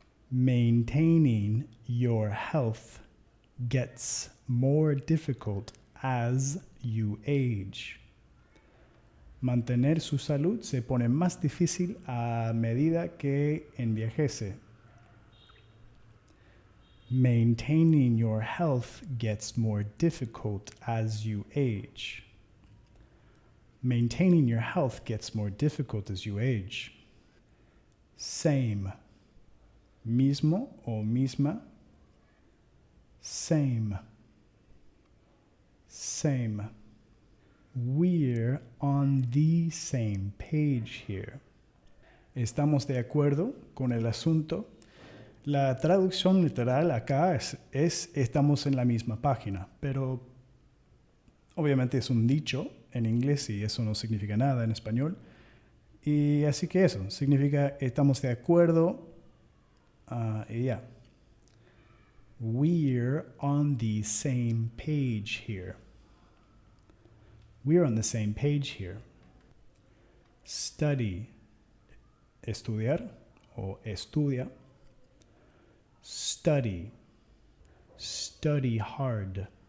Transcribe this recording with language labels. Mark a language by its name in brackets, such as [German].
[English] Maintaining your health gets more difficult as you age. [Spanish] Mantener su salud se pone más difícil a medida que envejece. [English] Maintaining your health gets more difficult as you age. Maintaining your health gets more difficult as you age. Same. [Spanish] Mismo o misma. [English] Same. Same. We're on the same page here. [Spanish] Estamos de acuerdo con el asunto. La traducción literal acá es estamos en la misma página, pero obviamente es un dicho en inglés y eso no significa nada en español. Y así que eso, significa estamos de acuerdo y ya. [English] We're on the same page here. We're on the same page here. Study. [Spanish] Estudiar o estudia. [English] Study. Study hard.